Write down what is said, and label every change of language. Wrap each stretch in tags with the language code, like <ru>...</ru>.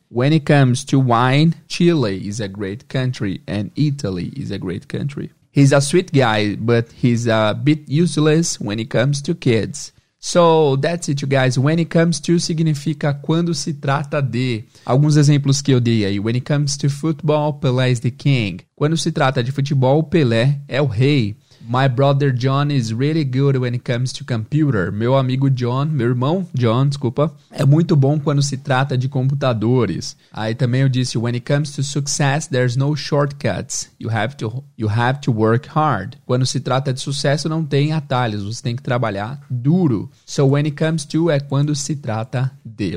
<en>When it comes to wine, Chile is a great country and Italy is a great country. He's a sweet guy, but he's a bit useless when it comes to kids. So, that's it, you guys. When it comes to</en> <pt>significa quando se trata de. Alguns exemplos que eu dei aí.</pt> <en>When it comes to football, Pelé is the king.</en> <pt>Quando se trata de futebol, Pelé é o rei.</pt> <en>My brother John is really good when it comes to computer.</en> <pt>Meu amigo John, meu irmão John, desculpa, é muito bom quando se trata de computadores. Aí também eu disse,</pt> <en>when it comes to success, there's no shortcuts. You have to work hard.</en> <pt>Quando se trata de sucesso, não tem atalhos. Você tem que trabalhar duro.</pt> <en>So when it comes to</en> <pt>é quando se trata de.</pt>